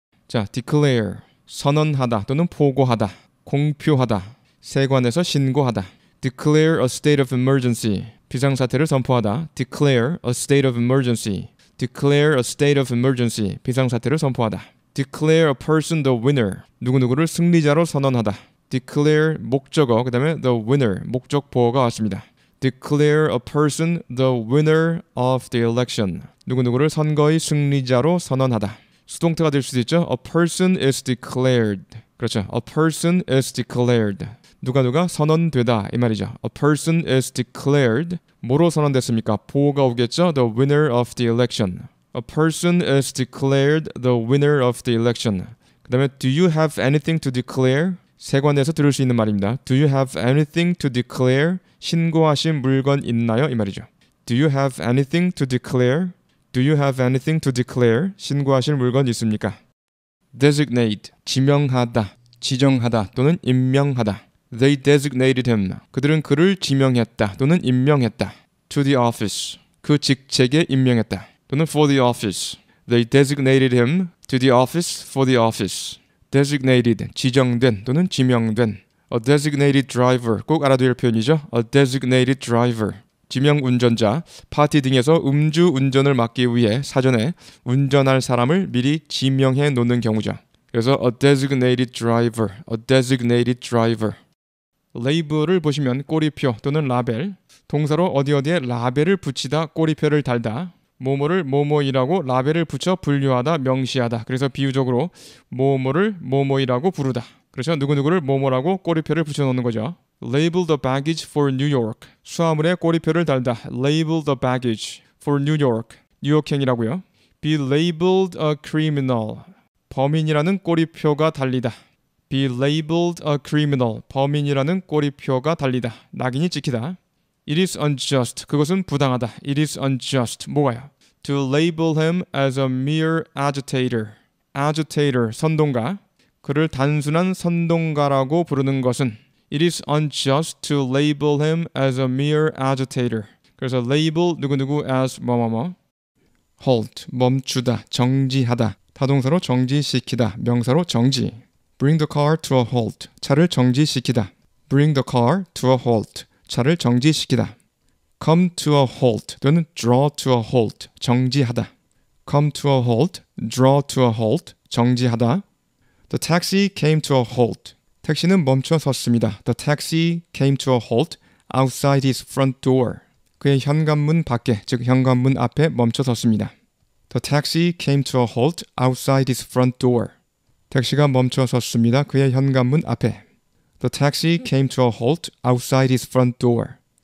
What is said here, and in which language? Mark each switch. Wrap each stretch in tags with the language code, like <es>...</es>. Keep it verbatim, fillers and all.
<ko>자, declare, 선언하다 또는 보고하다, 공표하다, 세관에서 신고하다.</ko> <en>declare a state of emergency,</en> <ko>비상사태를 선포하다.</ko> <en>declare a state of emergency, declare a state of emergency,</en> <ko>비상사태를 선포하다.</ko> <en>declare a person the winner,</en> <ko>누구누구를 승리자로 선언하다. declare, 목적어, 그 다음에</ko> <en>the winner,</en> <ko>목적 보어가 왔습니다.</ko> <en>declare a person the winner of the election,</en> <ko>누구누구를 선거의 승리자로 선언하다. 수동태가 될 수도 있죠.</ko> <en>A person is declared.</en> <ko>그렇죠.</ko> <en>A person is declared.</en> <ko>누가 누가 선언되다 이 말이죠.</ko> <en>A person is declared.</en> <ko>뭐로 선언됐습니까? 보호가 오겠죠.</ko> <en>The winner of the election. A person is declared the winner of the election.</en> <ko>그 다음에</ko> <en>Do you have anything to declare?</en> <ko>세관에서 들을 수 있는 말입니다.</ko> <en>Do you have anything to declare?</en> <ko>신고하신 물건 있나요? 이 말이죠.</ko> <en>Do you have anything to declare? Do you have anything to declare?</en> <ko>신고하실 물건 있습니까? Designate, 지명하다, 지정하다 또는 임명하다.</ko> <en>They designated him.</en> <ko>그들은 그를 지명했다 또는 임명했다.</ko> <en>To the office,</en> <ko>그 직책에 임명했다. 또는</ko> <en>for the office. They designated him to the office for the office.</en> <ko>Designated, 지정된 또는 지명된.</ko> <en>A designated driver,</en> <ko>꼭 알아두실 표현이죠.</ko> <en>A designated driver.</en> <ko>지명 운전자, 파티 등에서 음주 운전을 막기 위해 사전에 운전할 사람을 미리 지명해 놓는 경우죠. 그래서</ko> <en>a designated driver, a designated driver.</en> <ko>레이블을 보시면 꼬리표 또는 라벨, 동사로 어디 어디에 라벨을 붙이다, 꼬리표를 달다, 뭐뭐를 뭐뭐이라고 라벨을 붙여 분류하다, 명시하다. 그래서 비유적으로 뭐뭐를 뭐뭐이라고 부르다. 그렇죠? 누구누구를 뭐뭐라고 꼬리표를 붙여 놓는 거죠.</ko> <en>Label the baggage for New York.</en> <ko>수화물에 꼬리표를 달다.</ko> <en>Label the baggage for New York.</en> <ko>뉴욕행이라고요.</ko> <en>Be labeled a criminal.</en> <ko>범인이라는 꼬리표가 달리다.</ko> <en>Be labeled a criminal.</en> <ko>범인이라는 꼬리표가 달리다. 낙인이 찍히다.</ko> <en>It is unjust.</en> <ko>그것은 부당하다.</ko> <en>It is unjust.</en> <ko>뭐가요?</ko> <en>To label him as a mere agitator.</en> <ko>Agitator, 선동가. 그를 단순한 선동가라고 부르는 것은</ko> <en>It is unjust to label him as a mere agitator.</en> <ko>그래서 label 누구누구 as 뭐뭐뭐. Halt, 멈추다, 정지하다. 타동사로 정지시키다, 명사로 정지.</ko> <en>Bring the car to a halt,</en> <ko>차를 정지시키다.</ko> <en>Bring the car to a halt, 차를 정지시키다. Come to a halt 또는 draw to a halt,</en> <ko>정지하다.</ko> <en>Come to a halt, draw to a halt,</en> <ko>정지하다.</ko> <en>The taxi came to a halt.</en> <ko>택시는 멈춰 섰습니다.</ko> <en>The taxi came to a halt outside his front door.</en> <ko>그의 현관문 밖에, 즉 현관문 앞에 멈춰 섰습니다.</ko> <en>The taxi came to a halt outside his front door.</en> <ko>택시가 멈춰 섰습니다. 그의 현관문 앞에.</ko> <en>The taxi came to a halt outside his front door.</en>